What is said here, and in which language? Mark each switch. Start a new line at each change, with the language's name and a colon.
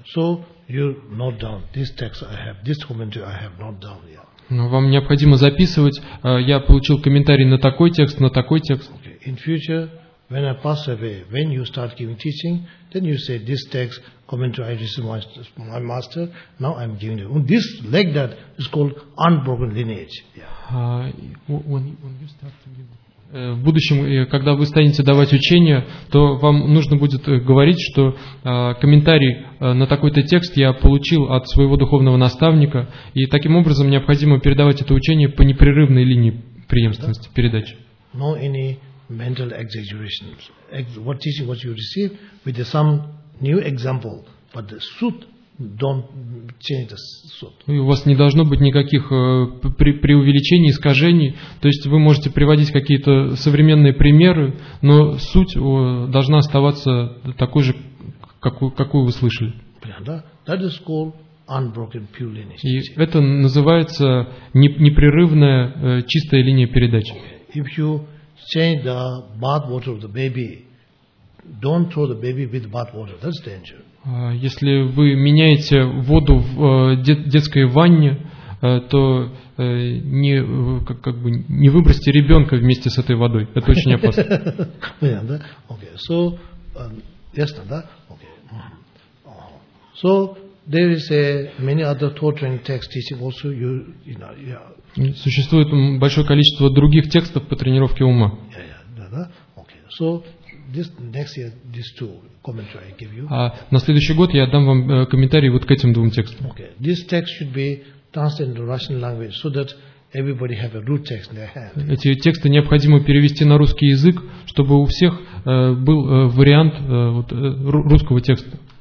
English: So you note down this text I have, this commentary I have not down yet.
Russian: Но вам необходимо записывать. Я получил комментарий на такой текст, на такой текст.
English: Okay. In future, when I pass away, when you start giving teaching, then you say this text commentary I received from my master. Now I'm giving you. This like that is called unbroken lineage. Yeah. When you start to give.
Russian: В будущем, когда вы станете давать учение, то вам нужно будет говорить, что комментарий на такой-то текст я получил от своего духовного наставника, и таким образом необходимо передавать это учение по непрерывной линии преемственности, передачи.
English: No any mental exaggerations. What teaching what you receive with some new example, but the suit. Don't change the suit.
Russian: И у вас не должно быть никаких преувеличений, искажений. То есть вы можете приводить какие-то современные примеры, но суть должна оставаться такой же, какую вы слышали.
English: That is called unbroken pure lineage.
Russian: И это называется непрерывная чистая линия передачи.
English: If you change the bath water of the baby, don't throw the baby with bath water. That's dangerous.
Russian: Если вы меняете воду в детской ванне, то не, как бы не выбросьте ребенка вместе с этой водой. Это очень опасно. Понятно, да? Окей. So, ясно, да? Окей.
English: So, there is many other thought training text teaching also, you know, yeah.
Russian: Существует большое количество других текстов по тренировке ума. Да. Окей.
English: So, this next year, these two.
Russian: А на следующий год я дам вам комментарий вот к этим двум текстам.
English: Okay. This text should be translated into Russian language so that everybody have a root text in their hand.
Russian: Эти тексты необходимо перевести на русский язык, чтобы у всех был вариант русского текста.